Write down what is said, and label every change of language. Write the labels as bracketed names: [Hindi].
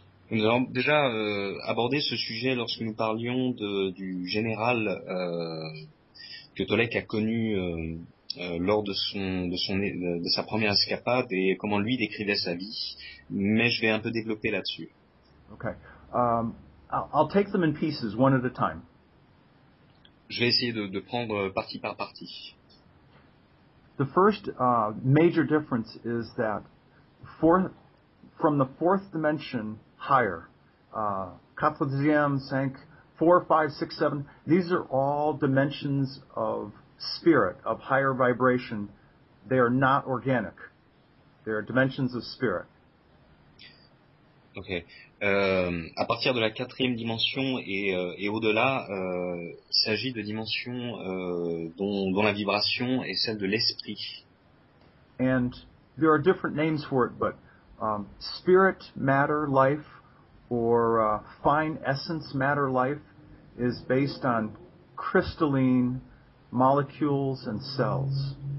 [French] Nous avons déjà abordé ce sujet lorsque nous parlions du général que Tolek a connu lors de sa première escapade et comment lui décrivait sa vie, mais je vais un peu développer là-dessus. [English] Okay. I'll take them in pieces, one at a time. [French] Je vais essayer de prendre partie par partie. [English] The first major difference is that from the fourth dimension higher, 4e, 5, 4, 5, 6, 7, these are all dimensions of spirit, of higher vibration. They are not organic. They are dimensions of spirit. Ok. [French] À partir de la quatrième dimension et au-delà, il s'agit de dimensions dont la vibration est celle de l'esprit. [English] And there are different names for it, but spirit, matter, life, or fine essence, matter, life, is based on crystalline molecules and cells.